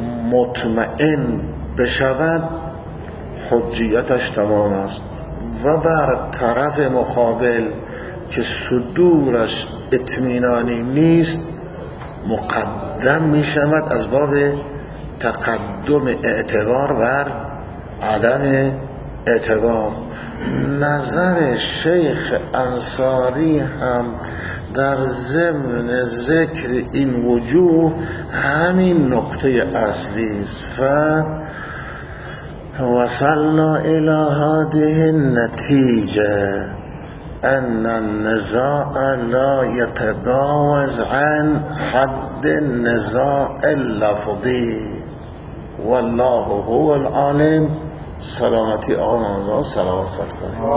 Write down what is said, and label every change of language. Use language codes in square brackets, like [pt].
[fa] مطمئن بشود حجیتش تمام است، و بر طرف مقابل که صدورش اطمینانی نیست مقدم می شود از باب تقدم اعتبار بر عدم اعتبار. نظر شیخ انصاری هم در ضمن ذکر این وجوه همین نقطه اصلی است. [ar] ف وصلنا الى هذه النتيجه ان النزاع لا يتجاوز عن حد النزاع اللفظي والله هو العالم. [fa] سلامتی آقا نوزان، سلامت خدا کنید.